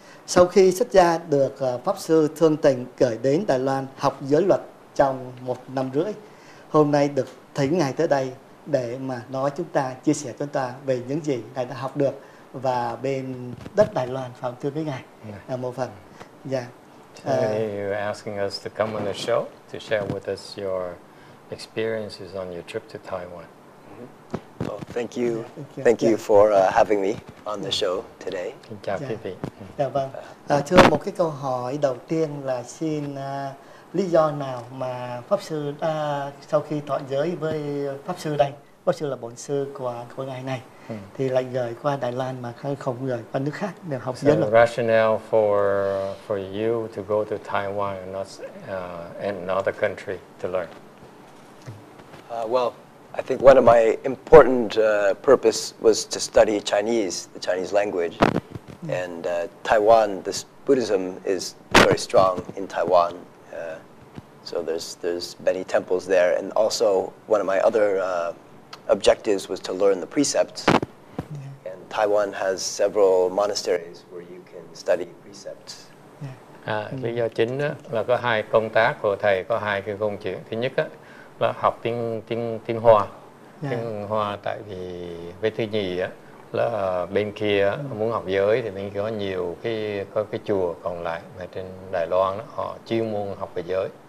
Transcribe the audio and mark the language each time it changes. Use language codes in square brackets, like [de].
[vi] Sau khi xuất gia được Pháp sư thương tình gửi đến Đài Loan học giới luật trong một năm rưỡi, hôm nay được thỉnh ngài tới đây để mà nói chúng ta, chia sẻ chúng ta về những gì ngài đã học được và bên đất Đài Loan phòng thưa với ngài là một phần. [en] You're asking us to come on the show to share with us your experiences on your trip to Taiwan. Thank you for having me on the show today. [vi] Dạ vâng. Thưa, một cái câu hỏi đầu tiên là xin lý do nào mà Pháp sư sau khi thọ giới với Pháp sư đây, Pháp sư là bổn sư của ngài này, thì lại gửi qua Đài Loan mà không gửi qua nước khác để học giới luật. [en] So rationale for you to go to Taiwan and not another country to learn. Well, I think one of my important purpose was to study Chinese, the Chinese language. And Taiwan, this Buddhism is very strong in Taiwan. So there's many temples there. And also one of my other objectives was to learn the precepts. Yeah. And Taiwan has several monasteries where you can study precepts. [vi] Lý do chính là có hai công tác của thầy, có hai cái công chuyện. Thứ nhất là học tiếng Hoa. Tiếng Hoa tại vì với thứ nhì là bên kia muốn học giới thì bên kia có nhiều cái chùa còn lại mà trên Đài Loan đó, họ chuyên môn học về giới.